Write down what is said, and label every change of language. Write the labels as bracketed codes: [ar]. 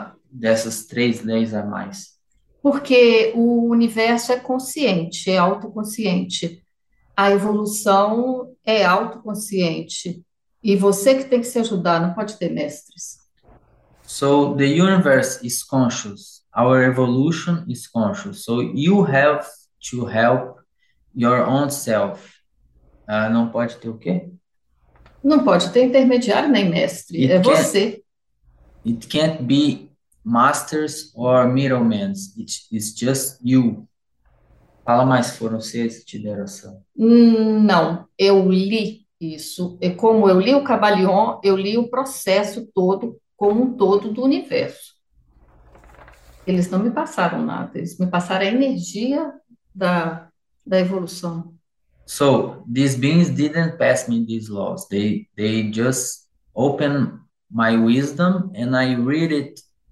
[pt] Dessas três leis a mais. Porque o universo é consciente, é autoconsciente. A evolução é autoconsciente. E você que tem que se ajudar, não pode ter mestres. [en] So the universe is conscious. Our evolution is conscious. So you have to help your own self. [pt] Não pode ter o quê? Não pode ter intermediário nem mestre. [en] It [pt] é você. [en] It can't be masters or middlemen. It's just you. [pt] Fala mais, foram vocês que te deram essa. Não, eu li isso. E como eu li o Cabalion, eu li o processo todo, como um todo do universo. Eles não me passaram nada, eles me passaram a energia da evolução. [en] So, these beings didn't pass me these laws. They just opened my wisdom and I read it.